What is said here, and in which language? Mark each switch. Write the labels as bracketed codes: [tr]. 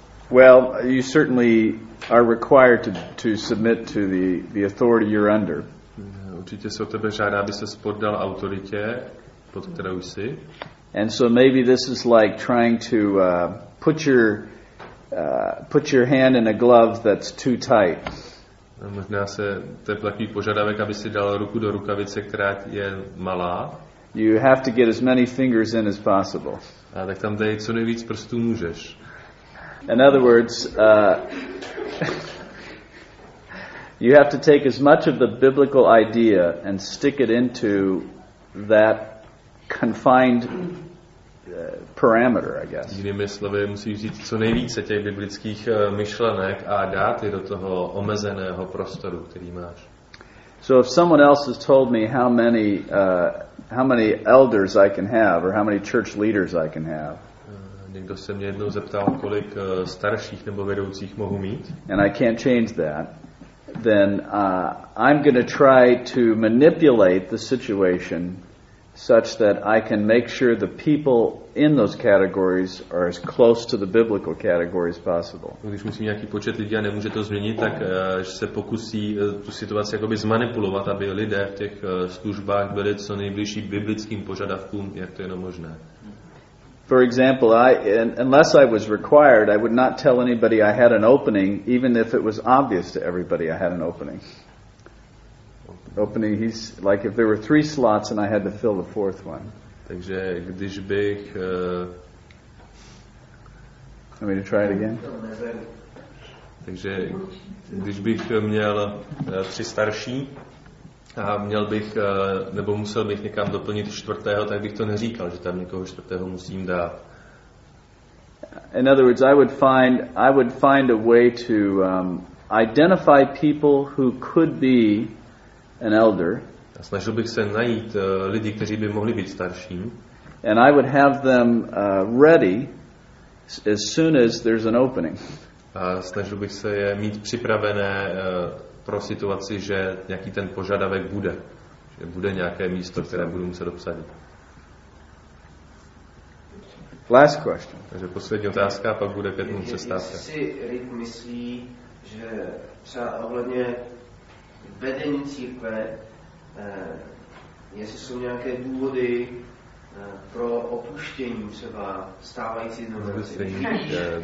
[en] Well, you certainly are required to submit to the authority you're under. [cs] Určitě se o tebe žádá, aby ses poddal autoritě, pod kterou jsi. [en] And so maybe this is like trying to put your hand in a glove that's too tight. [cs] A možná se to je takový požadavek, aby si dal ruku do rukavice, která je malá. [en] You have to get as many fingers in as possible. [cs] A tak tam dej co nejvíc prstů můžeš. [en] In other words, You have to take as much of the biblical idea and stick it into that confined parameter, I guess. [cs] Jinými slovy, musíš vzít co nejvíce těch biblických myšlenek a dát je do toho omezeného prostoru, který máš. [en] So if someone else has told me how many elders I can have or how many church leaders I can have. [cs] Někdo se mě jednou zeptal, kolik starších nebo vedoucích mohu mít. [en] And I can't change that. Then I'm going to try to manipulate the situation such that I can make sure the people in those categories are as close to the biblical categories possible. [cs] Když musím nějaký počet lidí a nemůže to změnit, tak že se pokusí tu situaci jakoby zmanipulovat, aby lidé v těch službách byli co nejbližší biblickým požadavkům, jak to je možné. [en] For example, unless I was required, I would not tell anybody I had an opening, even if it was obvious to everybody I had an opening. Opening, he's like if there were three slots and I had to fill the fourth one. [cs] Takže když bych, [en] I mean to try it again. [cs] Takže když bych měl tři starší a měl bych nebo musel bych někam doplnit čtvrtého, tak bych to neříkal, že tam někoho čtvrtého musím dát. [en] In other words, I would find a way to identify people who could be an elder. [cs] A snažil bych se najít lidi, kteří by mohli být starším. [en] And I would have them ready as soon as there's an opening. [cs] A snažil bych se je mít připravené pro situaci, že nějaký ten požadavek bude. Že bude nějaké místo, které budu muset obsadit. [en] Last question. [cs] Takže poslední otázka, pak bude 5 minut přestávka. Jestli Rick myslí, že třeba ohledně vedení církve, jestli jsou nějaké důvody pro opuštění třeba stávající denominace.